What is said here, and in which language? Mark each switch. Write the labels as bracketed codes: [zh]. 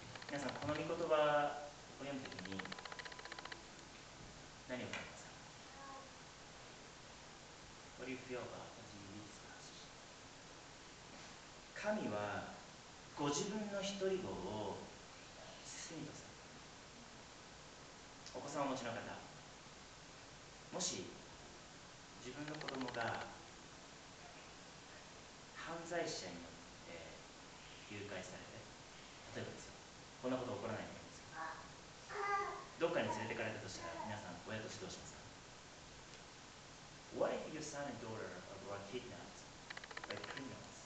[ja] 皆さん、この御言葉を読むときに何を思う？ [en] What do you feel about as you read this passage? [ja] 神はご自分の独り子を罪とされた。お子さんをお持ちの方、もし自分の子供が犯罪者によって誘拐されて、例えばですよ、こんなこと起こらないと思うんですけど、どっかに連れてかれたとしたら、皆さん親としてどうしますか？ [en] What if your son and daughter were kidnapped by criminals?